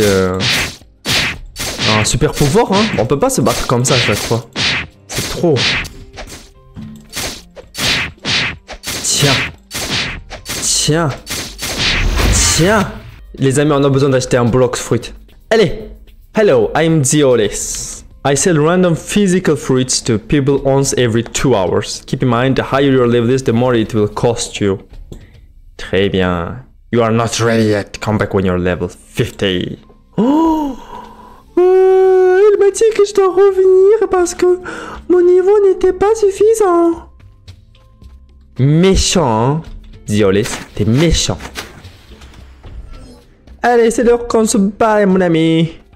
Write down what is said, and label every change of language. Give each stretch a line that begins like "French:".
French: un super pouvoir, hein. On peut pas se battre comme ça à chaque fois. C'est trop. Tiens. Tiens. Tiens. Les amis, on a besoin d'acheter un bloc fruit. Allez.
English: Hello, I'm Ziolis. I sell random physical fruits to people once every 2 hours. Keep in mind, the higher your level is, the more it will cost you.
French: Très bien.
English: You are not ready yet. Come back when you're level 50.
French: Oh, il m'a dit que je dois revenir parce que mon niveau n'était pas suffisant. Méchant, hein, Ziolis. T'es méchant. Allez, c'est l'heure qu'on se bat, mon ami.